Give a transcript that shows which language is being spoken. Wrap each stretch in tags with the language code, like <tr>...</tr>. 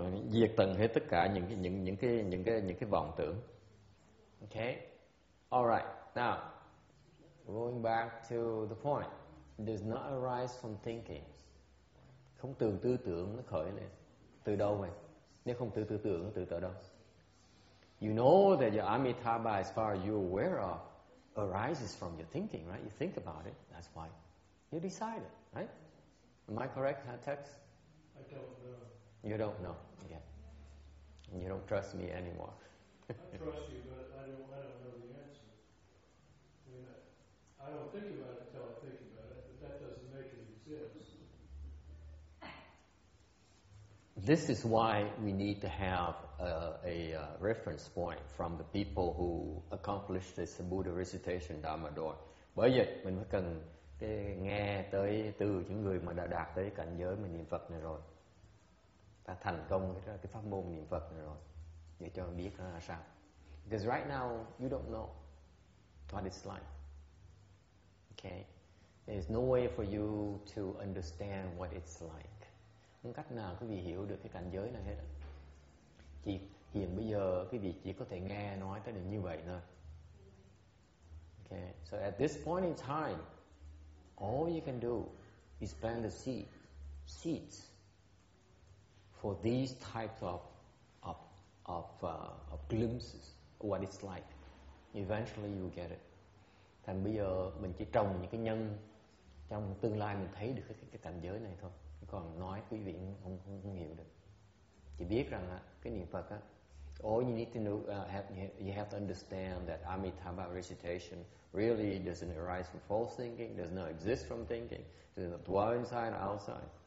<vi>diệt tận hết tất cả những cái vọng tưởng.</vi> <en>Okay. All right. Now, going back to the point. Does not arise from thinking.</en> <vi>Không từ tư tưởng nó khởi lên. Từ đâu vậy? Nếu không từ tư tưởng từ tới đâu?</vi> <en>You know that your Amitabha, as far as you're aware of, arises from your thinking, right? You think about it. That's why you decide it, right? Am I correct, text? I don't know. You don't know. Okay. And you don't trust me anymore. I trust you, but I don't know the answer. I mean, I don't think about it until I think about it, but that doesn't make it exist. This is why we need to have a reference point from the people who accomplished this Buddha recitation Dharma door.</en> <vi>Bởi vậy mình phải cần nghe tới từ những người mà đã đạt tới cảnh giới mà niệm Phật này rồi, ta thành công cái pháp môn niệm Phật này rồi, để cho biết nó là sao.</vi> <en>Because right now you don't know what it's like. Okay, there's no way for you to understand what it's like. Không cách nào quý vị hiểu được cái cảnh giới này hết. Chỉ hiện bây giờ quý vị chỉ có thể nghe nói tới được như vậy thôi. Okay, so at this point in time, all you can do is plant the seeds for these types of glimpses of what it's like. Eventually you get it.</en> <vi>Thành bây giờ mình chỉ trồng những cái nhân trong tương lai mình thấy được cái cảnh giới này thôi. Còn nói quý vị không hiểu được. Chỉ biết rằng á, cái niệm Phật á,</vi> <en>all you need to know, you have to understand that Amitabha recitation really doesn't arise from false thinking, does not exist from thinking, does not dwell inside or outside.</en>